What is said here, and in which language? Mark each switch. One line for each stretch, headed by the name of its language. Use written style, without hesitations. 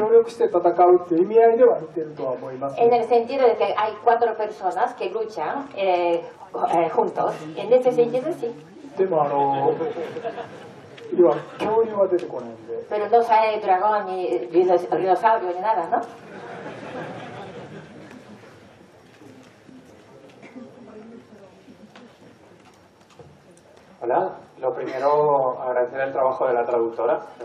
Japanese: 4人で協力して戦うっていう意味合いでは似てるとは思います。
Spanish: En el sentido de que hay 4 personas que luchan juntos. En ese sentido sí.
Japanese: でも、要は恐竜は出てこないんで。
Spanish: Pero no sale el dragón ni el dinosaurio ni nada, ¿no? Hola, lo primero agradecer el trabajo de la traductora.